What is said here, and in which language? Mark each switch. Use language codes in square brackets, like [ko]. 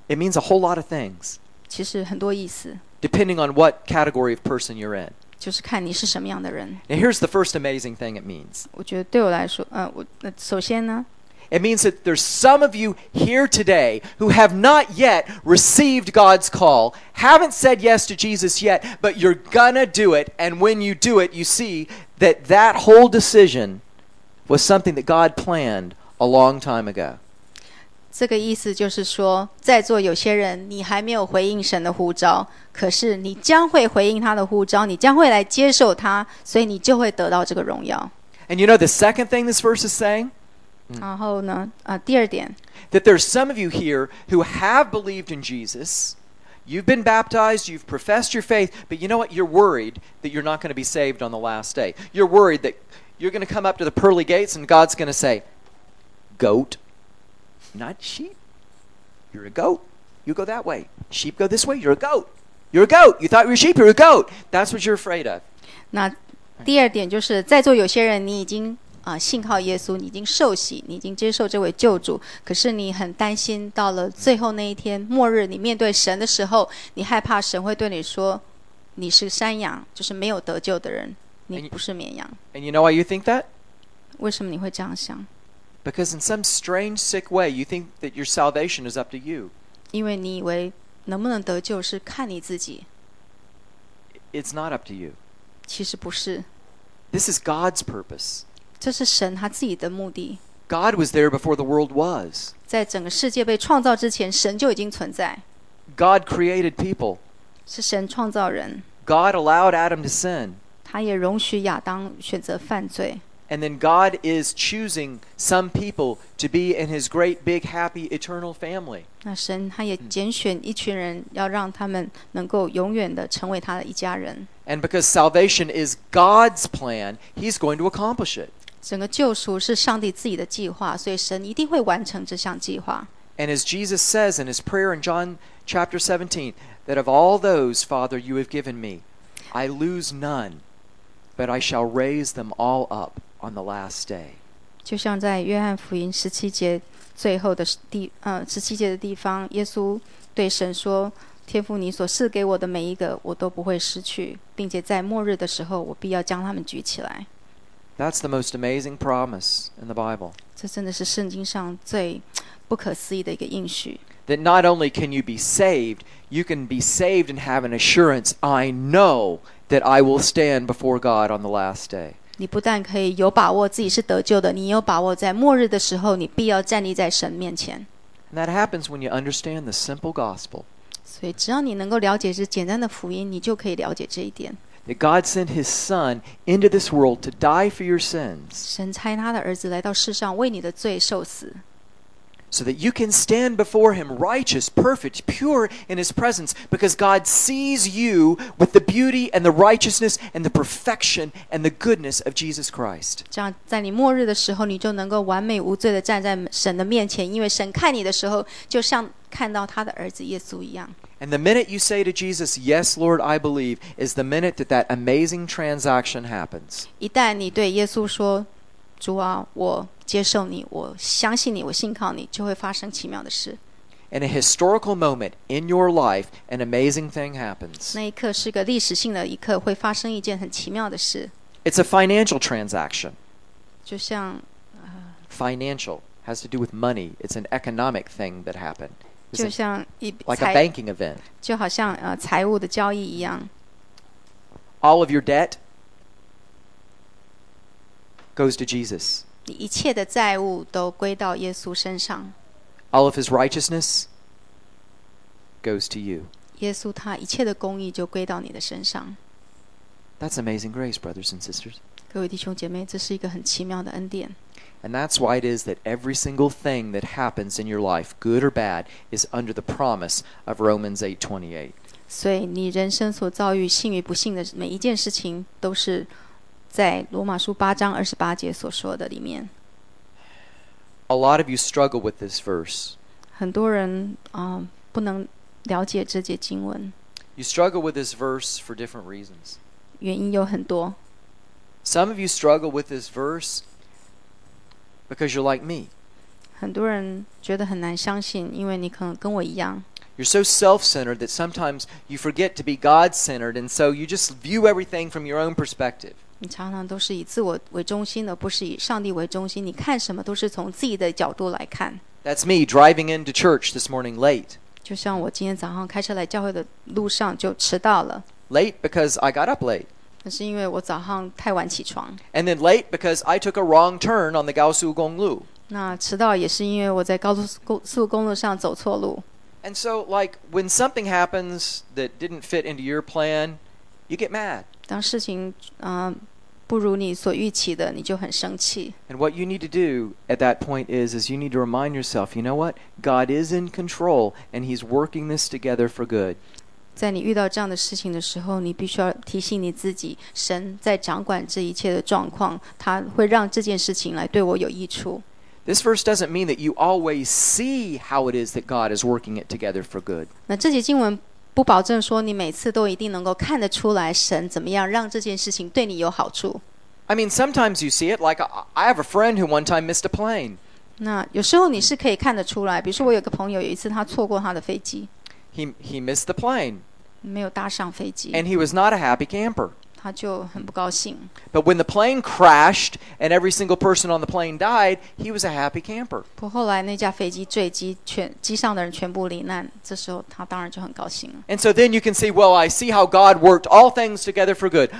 [en] It means a whole lot of things. [zh] 其实很多意思。 [en] Depending on what category of person you're in. [zh] 就是看你是什么样的人。 [en] Now, here's the first amazing thing it means. [zh] 我觉得对我来说，首先呢。 [en] It means that there's some of you here today who have not yet received God's call, haven't said yes to Jesus yet, but you're gonna do it, and when you do it, you see that that whole decision was something that God planned a long time ago. [zh] 这个意思就是说，在座有些人，你还没有回应神的呼召，可是你将会回应他的呼召，你将会来接受他，所以你就会得到这个荣耀。 [en] And you know the second thing this verse is saying? [zh] 然后呢？第二点 [en] ，that there's some of you here who have believed in Jesus, you've been baptized, you've professed your faith, but you know what? You're worried that you're not going to be saved on the last day. You're worried that you're going to come up to the pearly gates and God's going to say, "Goat, not sheep. You're a goat. You go that way. Sheep go this way. You're a goat. You're a goat. You thought you were sheep. You're a goat. That's what you're afraid of." [zh] 那第二点就是在座有些人你已经。信靠耶稣，你已经受洗，你已经接受这位救主，可是你很担心到了最后那一天末日，你面对神的时候，你害怕神会对你说你是山羊，就是没有得救的人，你不是绵羊。 [en] And you know why you think that? [zh] 为什么你会这样想？ [en] Because in some strange sick way you think that your salvation is up to you. [zh] 因为你以为能不能得救是看你自己。 [en] It's not up to you. [zh] 其实不是。 [en] This is God's purpose. [zh] 这是神他自己的目的。 [en] God was there before the world was. [zh] 在整个世界被创造之前，神就已经存在。 [en] God created people. [zh] 是神创造人。 [en] God allowed Adam to sin. [zh] 他也容许亚当选择犯罪。 [en] And then God is choosing some people to be in His great, big, happy, eternal family. [zh] 那神他也拣选一群人，要让他们能够永远的成为他的一家人。 [en] And because salvation is God's plan, He's going to accomplish it. [zh] 整个救赎是上帝自己的计划，所以神一定会完成这项计划。 [en] And as Jesus says in His prayer in John chapter 17, that of all those, Father, you have given me, I lose none, but I shall raise them all up on the last day. [zh] 就像在约翰福音十七节最后的十七节的地方，耶稣对神说。天父你所赐给我的每一个我都不会失去并且在末日的时候我必要将他们举起来 [en] That's the most amazing promise in the Bible [zh] 这真的是圣经上最不可思议的一个应许。 [en] That not only can you be saved, you can be saved and have an assurance, I know that I will stand before God on the last day. [zh] 你不但可以有把握自己是得救的，你有把握在末日的时候，你必要站立在神面前。 [en] And that happens when you understand the simple gospel. [zh] 所以只要你能够了解这简单的福音，你就可以了解这一点。 [en] That God sent His Son into this world to die for your sins. [zh] 神差他的儿子来到世上为你的罪受死。 [en] So that you can stand before Him righteous, perfect, pure in His presence because God sees you with the beauty and the righteousness and the perfection and the goodness of Jesus Christ. [zh] 这样在你末日的时候你就能够完美无罪地站在神的面前因为神看你的时候就像看到他的儿子耶稣一样。 [en] And the minute you say to Jesus, Yes, Lord, I believe, is the minute that that amazing transaction happens. [zh] 一旦你对耶稣说主啊我接受你我相信你我信靠你就会发生奇妙的事。 [en] In a historical moment in your life, an amazing thing happens. [zh] 那一刻是个历史性的一刻会发生一件很奇妙的事。 [en] It's a financial transaction. [zh] 就像 [en] financial has to do with money. It's an economic thing that happened. [zh] 就像一 [en] like a banking event. [zh] 就好像财务的交易一样。 [en] All of your debt goes to Jesus. [zh] 一切的债务都归到耶稣身上。 [en] All of His righteousness goes to you. [zh] 耶稣他一切的公义就归到你的身上。 [en] That's amazing grace, brothers and sisters. [zh] 各位弟兄姐妹，这是一个很奇妙的恩典。 [en] And that's why it is that every single thing that happens in your life, good or bad, is under the promise of Romans 8:28. [zh] 所以你人生所遭遇幸与不幸的每一件事情都是在罗马书八章二十八节所说的里面 [en] A lot of you struggle with this verse [zh] 很多人不能了解这节经文 [en] You struggle with this verse for different reasons [zh] 原因有很多 [en] Some of you struggle with this verse because you're like me [zh] 很多人觉得很难相信因为你可能跟我一样 [en] You're so self-centered that sometimes you forget to be God-centered and so you just view everything from your own perspective [zh] 你常常都是以自我为中心的不是以上帝为中心你看什么都是从自己的角度来看 [en] That's me driving into church this morning late [zh] 就像我今天早上开车来教会的路上就迟到了 [en] Late because I got up late [zh] 那是因为我早上太晚起床 [en] And then late because I took a wrong turn on the 高速公路 [zh] 那迟到也是因为我在高速公路上走错路 [en] And so like when something happens that didn't fit into your plan you get mad [zh] 当事情不如你所预期的你就很生气 [en] And what you need to do at that point is you need to remind yourself you know what God is in control and he's working this together for good [zh] 在你遇到这样的事情的时候你必须要提醒你自己神在掌管这一切的状况他会让这件事情来对我有益处 [en] This verse doesn't mean that you always see how it is that God is working it together for good [zh] 那这节经文不保证说你每次都一定能够看得出来神怎么样让这件事情对你有好处。 [en] I mean, sometimes you see it, like I have a friend who one time missed a plane. [zh] 那有时候你是可以看得出来，比如说我有个朋友，有一次他错过他的飞机。 [en] He missed the plane. [zh] 没有搭上飞机。 [en] And he was not a happy camper. [zh] 他就很不高兴。 [en] But when the plane crashed and every single person on the plane died, he was a happy camper. [zh] 不后来那架飞机坠机，机上的人全部罹难，这时候他当然就很高兴了。 [en] And so then you can see, well, I see how God worked all things together for good.